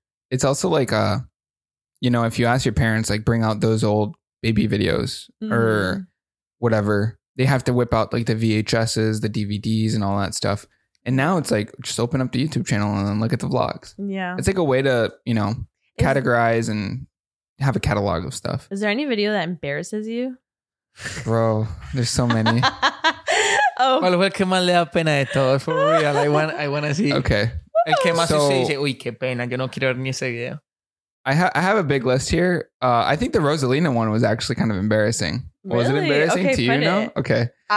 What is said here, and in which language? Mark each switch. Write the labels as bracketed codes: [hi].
[en] It's also like, you know, if you ask your parents, like bring out those old baby videos or whatever, they have to whip out like the VHSs, the DVDs and all that stuff. And now it's like, just open up the YouTube channel and then look at the vlogs. Yeah. It's like a way to, you know, categorize and have a catalog of stuff. Is there any video that embarrasses you? Bro, there's so many. Oh. Well, what [es] que más le da pena de todo, [en] for real. I want to see. Okay. [es] El que más se dice, uy, qué pena, yo no quiero ver ni ese video. [en] I have a big list here. I think the Rosalina one was actually kind of embarrassing. Really? Was it embarrassing to you? No. Okay.